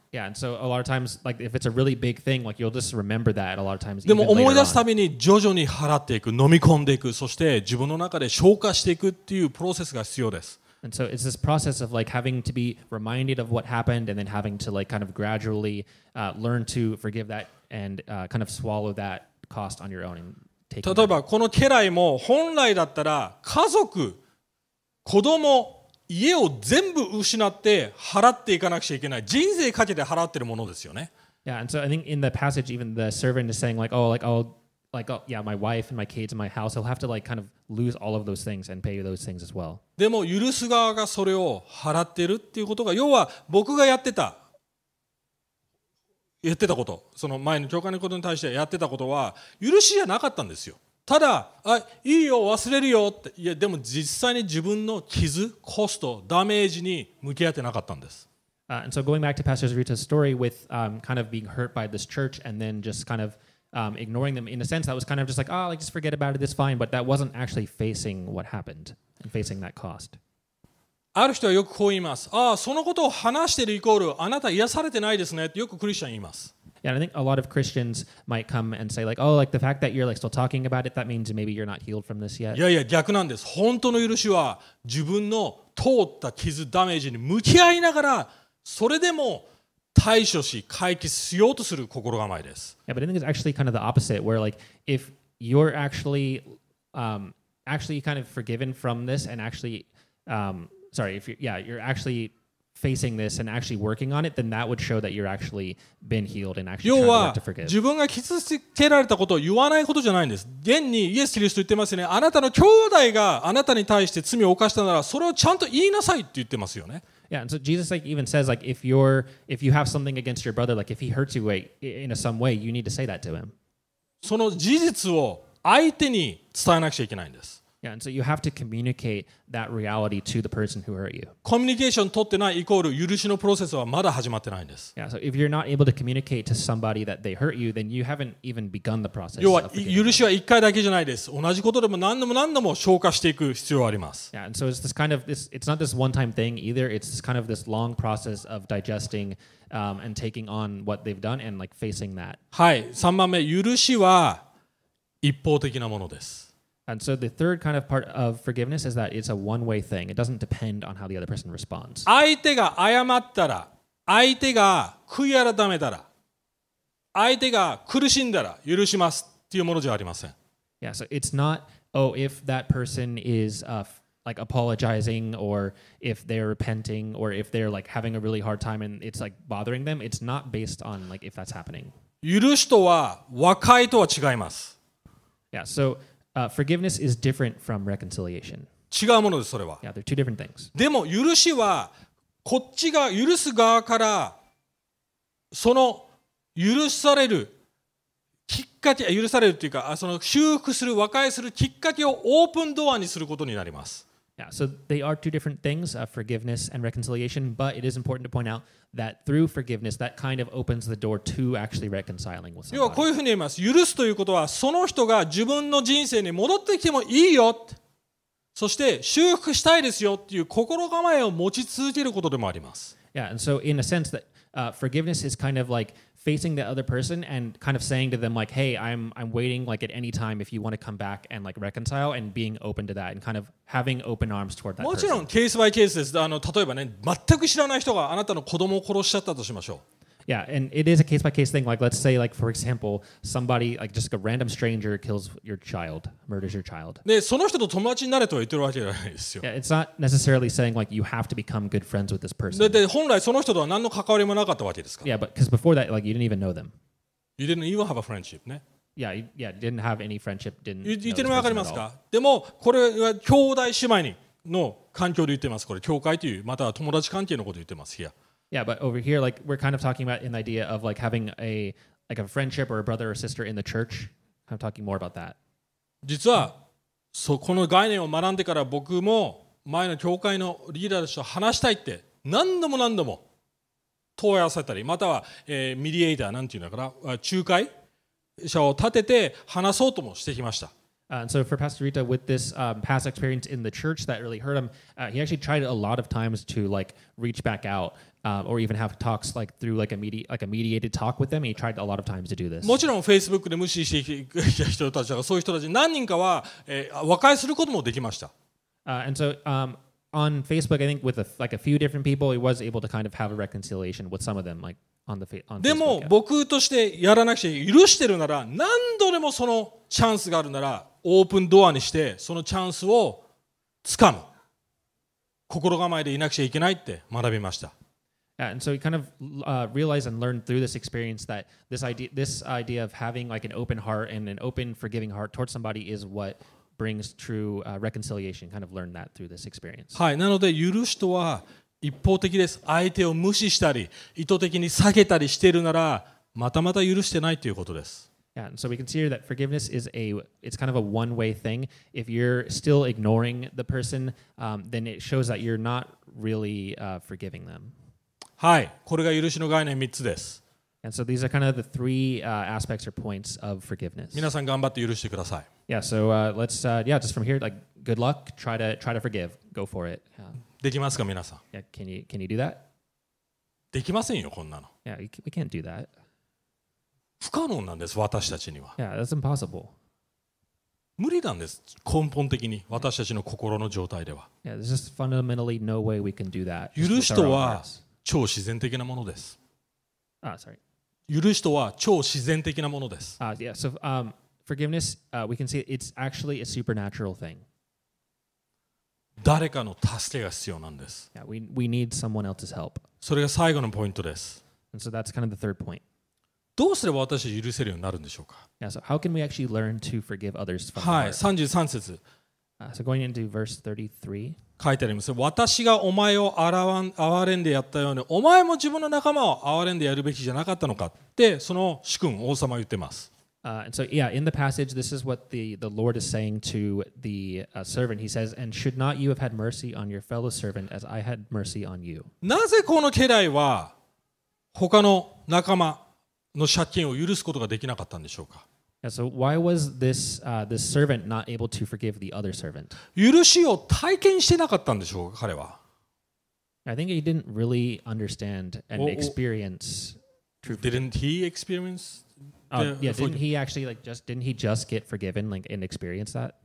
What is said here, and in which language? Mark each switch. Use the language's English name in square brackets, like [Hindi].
[English] So, yeah, and so a lot of times, like if it's a really big thing, like you'll just remember that a lot of times. [Japanese] でも思い出すたびに徐々に払っていく、飲み込んでいく、そして自分の中で消化していくっていうプロセスが必要です。 [English] And so it's this process of like having to be reminded of what happened and then having to like kind of gradually learn to forgive that and kind of swallow that cost on your own and take it. [Japanese] 例えばこの家来も本来だったら家族、子供、家を全部失って払っていかなくちゃいけない。人生かけて払ってるものですよね。 [English] Yeah, and so I think in the passage even the servant is saying like, oh, my wife and my kids and my house, he'll have to like kind of lose all of those things and pay those things as well. [Japanese] でも許す側がそれを払ってるっていうことが、要は僕がやってたこと、その前の教会のことに対してやってたことは許しじゃなかったんですよ。ただ、あ、いいよ、忘れるよって、いや、でも実際に自分の傷、コスト、ダメージに向き合ってなかったんです。 [English] And so going back to Pastor Zarita's story with kind of being hurt by this church and then just kind of ignoring them, in a sense, that was kind of just like, oh, like, just forget about it, it's fine, but that wasn't actually facing what happened and facing that cost. [Japanese] ある人はよくこう言います。ああ、そのことを話しているイコール、あなた癒されてないですねってよくクリスチャン言います。 [English] Yeah, and I think a lot of Christians might come and say like, oh, like the fact that you're like still talking about it, that means maybe you're not healed from this yet. [Japanese] いやいや、逆なんです。本当の許しは自分の通った傷、ダメージに向き合いながら、それでも対処し、解決しようとする心構えです。 [English] Yeah, but I think it's actually kind of the opposite, where like if you're actually, actually kind of forgiven from this and actually, you're actually... facing this and actually working on it, then that would show that you're actually been healed and actually trying to forgive. [Japanese] 自分が傷つけられたことを言わないことじゃないんです。現にイエス・キリスト言ってますよね。あなたの兄弟があなたに対して罪を犯したなら、それをちゃんと言いなさいって言ってますよね。 [English] Yeah, and so Jesus like even says like if you have something against your brother, like if he hurts you in some way, you need to say that to him. [Japanese] その事実を相手に伝えなくちゃいけないんです。 [English] Yeah, and so you have to communicate that reality to the person who hurt you. [Japanese] Communication 取ってないイコール許しのプロセスはまだ始まってないんです。 [English] Yeah, so if you're not able to communicate to somebody that they hurt you, then you haven't even begun the process. [Japanese] 要は許しは一回だけじゃないです。同じことでも何度も何度も消化していく必要があります。 [English] Yeah, and so it's this kind of this. It's not this one-time thing either. It's this kind of this long process of digesting, and taking on what they've done and like facing that. [Japanese] はい、三番目、許しは一方的なものです。 [English] And so the third kind of part of forgiveness is that it's a one-way thing. It doesn't depend on how the other person responds. [Japanese] 相手が謝ったら、相手が悔い改めたら、相手が苦しんだら許しますっていうものじゃありません。 [English] Yeah, so it's not, oh, if that person is like apologizing or if they're repenting or if they're like having a really hard time and it's like bothering them, it's not based on like if that's happening. [Japanese] 許しとは和解とは違います。 [English] Yeah, soForgiveness is different from reconciliation. [Japanese] 違うものです、それは。 [English] Yeah, they're two different things. [Japanese] でも、許しは、こっちが許す側からその許されるきっかけ、許されるというか、その修復する、和解するきっかけをオープンドアにすることになります。 [English] Yeah, so they are two different things, forgiveness and reconciliation, but it is important to point out that through forgiveness, that kind of opens the door to actually reconciling with someone. [Japanese] 要はこういうふうに言います。許すということは、その人が自分の人生に戻ってきてもいいよ、そして修復したいですよっていう心構えを持ち続けることでもあります。 [English] Yeah, and so in a sense that, forgiveness is kind of like facing the other person and kind of saying to them like, hey, I'm waiting like at any time if you want to come back and like reconcile and being open to that and kind of having open arms toward that person. [Japanese] もちろんケースバイケースです。例えばね、全く知らない人があなたの子供を殺しちゃったとしましょう。 [English] Yeah, and it is a case by case thing. Like, let's say, like for example, somebody like just a random stranger kills your child, murders your child. [Japanese] で、その人と友達になれとは言ってるわけじゃないですよ。 [English] Yeah, it's not necessarily saying like you have to become good friends with this person. [Japanese] で、本来その人とは何の関わりもなかったわけですか。 [English] Yeah, but because before that, like you didn't even know them. You didn't even have a friendship, [Japanese] ね。 [English] Yeah, you didn't have any friendship. Didn't. [Japanese] 言ってるのわかりますか。でもこれは兄弟姉妹にの環境で言ってます。これ教会というまたは友達関係のことを言ってます。 [English] Here. Yeah, but over here, like we're kind of talking about an idea of like having a like a friendship or a brother or sister in the church. I'm talking more about that. [Japanese] 実は、そこの概念を学んでから僕も前の教会のリーダーと話したいって何度も何度も問い合わせたり、または、ミディエーターなんていうんだから仲介者を立てて話そうともしてきました。 [English] And so for Pastor Rita, with this past experience in the church that really hurt him, he actually tried a lot of times to like reach back out. Or even have talks like through like a mediated talk with them. He tried a lot of times to do this. [Japanese] もちろん Facebook で無視してきた人たちとかそういう人たち何人かは、和解することもできました。 [English] And so on Facebook, I think with a, like a few different people, he was able to kind of have a reconciliation with some of them, like on the Facebook. [Japanese] でも僕としてやらなくて許してるなら何度でもそのチャンスがあるならオープンドアにしてそのチャンスを掴む心構えでいなくちゃいけないって学びました。 [English] Yeah, and so he kind of realized and learned through this experience that this idea of having like an open heart and an open forgiving heart towards somebody is what brings true reconciliation. Kind of learned that through this experience. [Japanese] はい、なので許しとは一方的です。相手を無視したり意図的に避けたりしているならまたまた許してないということです。 [English] Yeah, and so we consider that forgiveness is a, it's kind of a one-way thing. If you're still ignoring the person, then it shows that you're not really forgiving them. [Japanese] はい、これが許しの概念3つです。 [English] And so these are kind of the three aspects or points of forgiveness. [Japanese] 皆さん頑張って許してください。 [English] Yeah, so let's yeah, just from here, like good luck, try to forgive, go for it. [Japanese] できますか皆さん。 [English] Yeah, can you do that? [Japanese] できませんよこんなの。 [English] Yeah, we can't do that. [Japanese] 不可能なんです私たちには。 [English] Yeah, that's impossible. [Japanese] 無理なんです根本的に私たちの心の状態では。 [English] Yeah, there's just fundamentally no way we can do that. [Japanese] 許しとは超自然的なものです。 [English] Ah, sorry. [Japanese] 許しとは超自然的なものです。 [English] Ah, yeah. So, forgiveness, we can see it's actually a supernatural thing. [Japanese] 誰かの助けが必要なんです。 [English] Yeah, we need someone else's help. [Japanese] それが最後のポイントです。 [English] And so that's kind of the third point. [Japanese] どうすれば私は許せるようになるんでしょうか。 [English] Yeah, so how can we actually learn to forgive others from the heart? [Japanese] はい、33節。 [English] So going into verse 33. [Japanese] 書いてあります。私がお前を憐れんでやったように、お前も自分の仲間を憐れんでやるべきじゃなかったのかって、その主君、王様は言ってます。 [English] So, yeah, in the passage, this is what the Lord is saying to the servant. He says, and should not you have had mercy on your fellow servant as I had mercy on you? [Japanese] なぜこの家来は他の仲間の借金を許すことができなかったんでしょうか。 [English] Yeah, so why was this servant not able to forgive the other servant? [Japanese] 許しを体験してなかったんでしょうか、彼は。 [English] I think he didn't really understand and experience true forgiveness. Didn't he experience? Didn't he actually like just didn't he just get forgiven like and experience that?